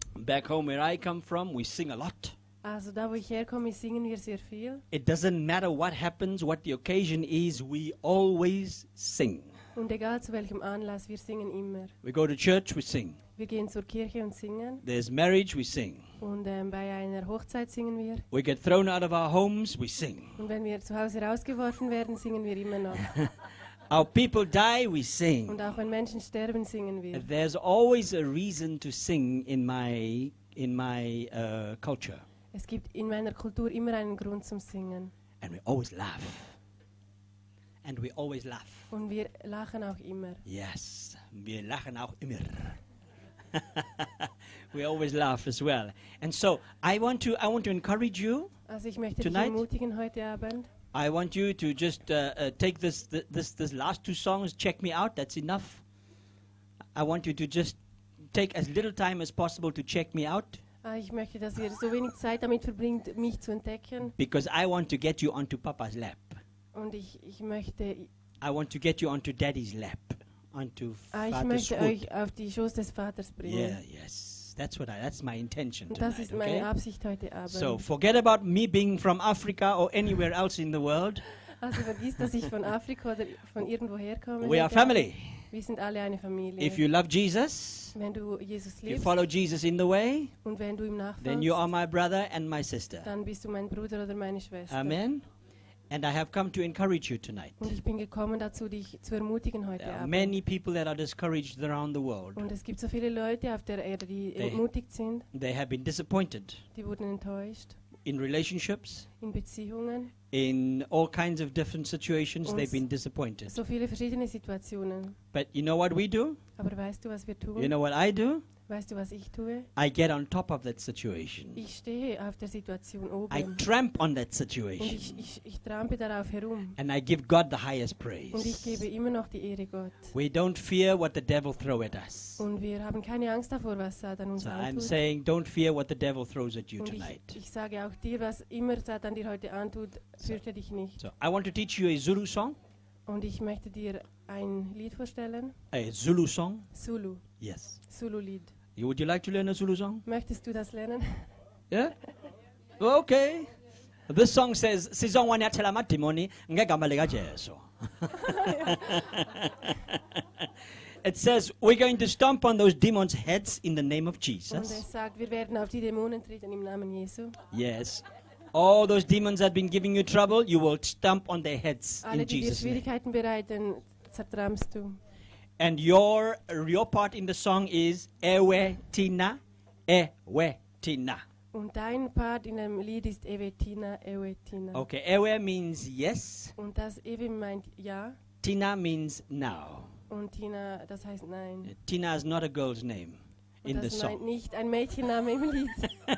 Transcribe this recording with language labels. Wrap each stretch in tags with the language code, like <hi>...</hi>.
<en>Back home where I come from, we sing a lot.</en> <de>Also da, wo ich herkomme, singen wir sehr viel.</de> <en>It doesn't matter what happens, what the occasion is, we always sing.</en> <de>Und egal zu welchem Anlass, wir singen immer.</de> <en>We go to church, we sing.</en> <de>Wir gehen zur Kirche und singen.</de> <en>There's marriage, we sing.</en> <de>Und bei einer Hochzeit singen wir.</de> <en>We get thrown out of our homes, we sing.</en> <de>Und wenn wir zu Hause rausgeworfen werden, singen wir immer noch.</de> <en>Our people die, we sing.</en> <de>Und auch wenn Menschen sterben, singen wir.</de> <en>There's always a reason to sing in my culture.</en> <de>Es gibt in meiner Kultur immer einen Grund zum Singen.</de> <en>And we always laugh. And we always laugh.</en> <de>Und wir lachen auch immer. Yes, wir lachen auch immer.</de> <en>We always laugh as well. And so I want to encourage you.</en> <de>Also ich möchte dich ermutigen heute Abend.</de> <en>I want you to just take this last two songs, check me out, that's enough. I want you to just take as little time as possible to check me out.</en> <de>Ich möchte, dass ihr so wenig Zeit damit verbringt, mich zu entdecken.</de> <en>Because I want to get you onto Papa's lap.</en> <de>Und ich möchte,</de> <en>I want to get you onto Daddy's lap, onto Vater's</en> <de>foot. Ich möchte euch auf die Schoß des Vaters bringen.</de> <en>Yeah, yes. That's my intention tonight.</en> <de>Das ist meine</de> <en>okay?</en> <de>Absicht heute Abend.</de> <en>So forget about me being from Africa or anywhere else in the world.</en> <de>Also vergiss, dass ich von Afrika oder von irgendwo herkomme.</de> <en>We are family.</en> <de>Wir sind alle eine Familie.</de> <en>If you love Jesus,</en> <de>wenn du Jesus liebst,</de> <en>you follow Jesus in the way,</en> <de>und wenn du ihm nachfolgst,</de> <en>then you are my brother and my sister.</en> <de>Dann bist du mein Bruder oder meine Schwester.</de> <en>Amen. And I have come to encourage you tonight.</en> <de>Und ich bin gekommen dazu, dich zu ermutigen heute Abend.</de> <en>There are many people that are discouraged around the world.</en> <de>Und es gibt so viele Leute auf der Erde, die entmutigt sind.</de> <en>They have been disappointed.</en> <de>Die wurden enttäuscht.</de> <en>In relationships.</en> <de>In Beziehungen.</de> <en>In all kinds of different situations, they've been disappointed.</en> <de>So viele verschiedene Situationen.</de> <en>But you know what we do?</en> <de>Aber weißt du, was wir tun?</de> <en>You know what I do?</en> <de>Weißt du, was ich tue?</de> <en>I get on top of that situation.</en> <de>Ich stehe auf der Situation oben.</de> <en>I tramp on that situation.</en> <de>Und ich trampe darauf herum.</de> <en>And I give God the highest praise.</en> <de>Und ich gebe immer noch die Ehre Gott.</de> <en>We don't fear what the devil throws at us.</en> <de>Und wir haben keine Angst davor, was Satan uns antut.</de> <en>So I'm saying, don't fear what the devil throws at you tonight.</en> <de>Ich sage auch dir, was immer Satan dir heute antut, fürchte dich nicht.</de> <en>So I want to teach you a Zulu song.</en> <de>Und ich möchte dir ein Lied vorstellen.</de> <en>A Zulu song?</en> <de>Zulu.</de> <en>Yes.</en> <de>Zulu Lied.</de> <en>Would you like to learn a Zulu song?</en> <de>Möchtest du das lernen?</de> <en>Yeah? Okay. This song says,</en> <zu>Sizong wani atela matimoni, nge gambalega jeso.</zu> <en>It says, we're going to stomp on those demons' heads in the name of Jesus.</en> <de>Und es sagt, wir werden auf die Dämonen treten im Namen Jesu.</de> <en>Yes. All those demons that have been giving you trouble, you will stomp on their heads</en> <de>alle,</de> <en>in Jesus' name.</en> <de>Alle, die dir Schwierigkeiten bereiten, zertrampst du.</de> <en>And your part in the song is Ewe Tina, Ewe Tina.</en> <de>Und dein Part in dem Lied ist Ewe Tina, Ewe Tina.</de> <en>Okay, Ewe means yes.</en> <de>Und das Ewe meint ja.</de> <en>Tina means now.</en> <de>Und Tina, das heißt nein.</de> <en>Tina is not a girl's name in the song.</en> <de>Und das meint nicht ein Mädchenname im Lied.</de>